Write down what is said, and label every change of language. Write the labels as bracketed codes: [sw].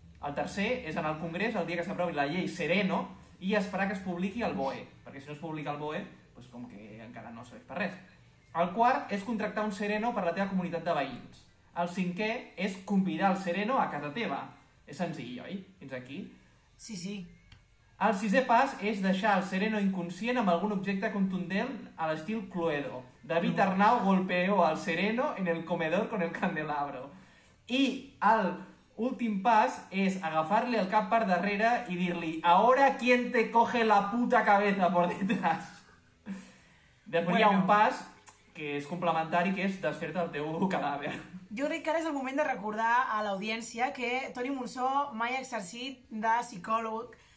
[ca] El tercer és en el Congrés, el dia que s'aprovi la llei sereno, i esperar que es publiqui el BOE, perquè si no es publica el BOE, doncs com que encara no serveix per res. El quart és contractar un sereno per a la teva comunitat de veïns. El cinquè és convidar el sereno a casa teva. És senzill, oi? Fins aquí. Sí, sí. El sisè pas és deixar el sereno inconscient amb algun objecte contundent a l'estil Cluedo. [es] David Arnau golpeó al sereno en el comedor con el candelabro. [ca] I el Últim pas és agafar-li el cap per darrere i dir-li [es] «Ahora, ¿quién te coge la puta cabeza por detrás?». [ca] Després bueno, hi ha un pas que és complementari, que és desfer-te el teu cadàver. Jo crec que ara és el moment de recordar a l'audiència que Toni Monsó mai ha exercit de psicòleg.